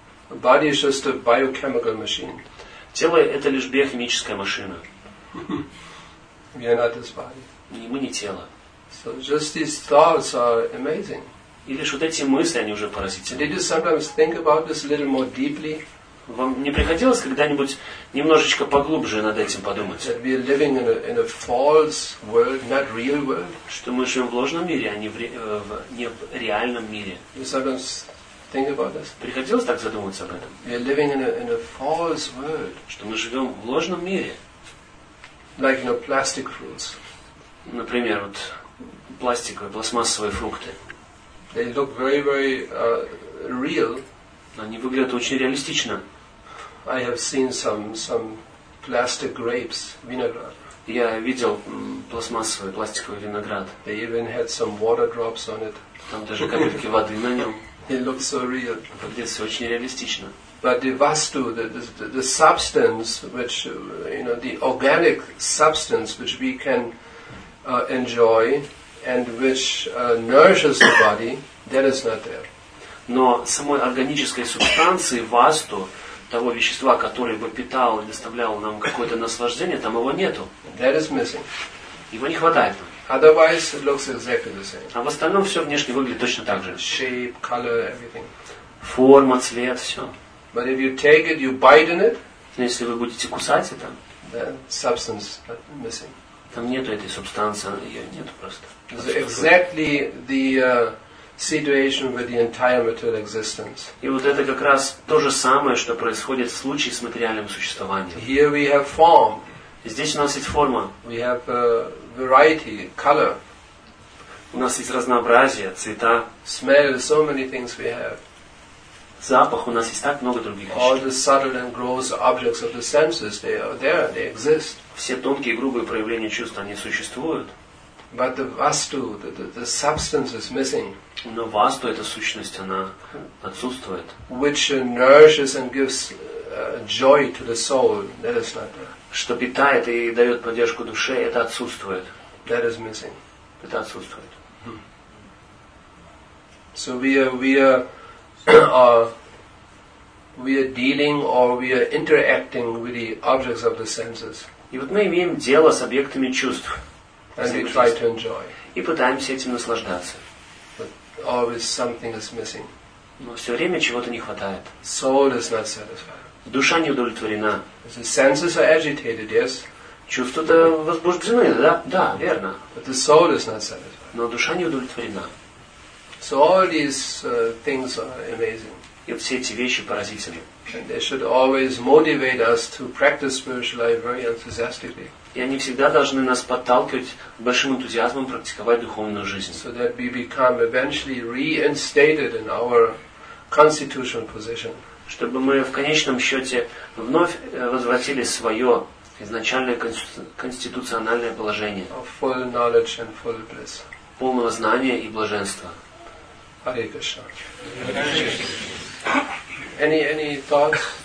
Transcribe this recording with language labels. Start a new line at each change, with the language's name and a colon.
English: Body is just a biochemical machine.
Russian: Тело – это лишь биохимическая машина.
English: We are not this body.
Russian: Мы не тело.
English: So just these thoughts are amazing.
Russian: И лишь вот эти мысли, они уже поразительны.
English: Did you sometimes think about this a little more deeply?
Russian: Вам не приходилось когда-нибудь немножечко поглубже над этим подумать?
English: That we are living in a false world, not real world.
Russian: Что мы живем в ложном мире, а не в, в не в реальном мире.
English: You sometimes think about this?
Russian: Приходилось так задуматься об этом?
English: We are living in a false world.
Russian: Что мы живем в ложном мире.
English: Like, you know, plastic fruits.
Russian: Например, вот пластиковые, пластмассовые фрукты.
English: They look very, very real.
Russian: Они выглядят очень реалистично.
English: I have seen some plastic grapes, vinegar.
Russian: Я видел пластмассовый, пластиковый виноград.
English: They even had some water drops on it.
Russian: Там даже капельки воды на нем.
English: It looks so real.
Russian: Выглядит все очень реалистично.
English: But the vastu, the substance, which, you know, the organic substance, which we can enjoy and which nourishes the body, that is not there.
Russian: Но самой органической субстанции, васту, того вещества, которое бы питало и доставляло нам какое-то наслаждение, там его нету.
English: That is missing.
Russian: Его не хватает.
English: Otherwise, it looks exactly the same.
Russian: А в остальном все внешне выглядит точно так же.
English: Shape, color, everything.
Russian: Форма, цвет, все.
English: But if you take it, you bite in it.
Russian: Но если вы будете кусать это,
English: then substance is missing.
Russian: Там нету этой субстанции, ее нету просто.
English: It's exactly the situation with the entire material existence.
Russian: И вот это как раз то же самое, что происходит в случае с материальным существованием.
English: Here we have form.
Russian: Здесь у нас есть форма.
English: We have variety, color.
Russian: У нас есть разнообразие, цвета.
English: Smell, so many things we have.
Russian: Запах, у нас есть так много других вещей.
English: All the subtle and gross objects of the senses, they are there, they exist.
Russian: Все тонкие и грубые проявления чувств, они существуют.
English: But the vastu, the substance is missing.
Russian: Но васту, эта сущность, она отсутствует.
English: Which nourishes and gives joy to the soul, that is not there.
Russian: Что питает и дает поддержку душе, это отсутствует.
English: That is missing.
Russian: Это отсутствует.
English: So we are dealing or we are interacting with the objects of the senses.
Russian: И вот мы имеем дело с объектами чувств.
English: And we try to enjoy.
Russian: И пытаемся этим наслаждаться.
English: But always something is missing.
Russian: Но все время чего-то не хватает.
English: Soul is not satisfied.
Russian: Душа не удовлетворена.
English: The senses are agitated, yes.
Russian: Чувства-то возбуждены, да? Да, верно.
English: But the soul is not satisfied.
Russian: Но душа не удовлетворена.
English: So all these things are amazing.
Russian: И вот все эти вещи поразительны.
English: And they should always motivate us to practice spiritual life very enthusiastically.
Russian: И они всегда должны нас подталкивать большим энтузиазмом практиковать духовную жизнь.
English: So that we become eventually reinstated in our constitutional position.
Russian: Чтобы мы в конечном счете вновь возвратили свое изначальное конституциональное положение.
English: Of full knowledge and full bliss.
Russian: Полного знания и блаженства.
English: Hare Krishna. Any thoughts?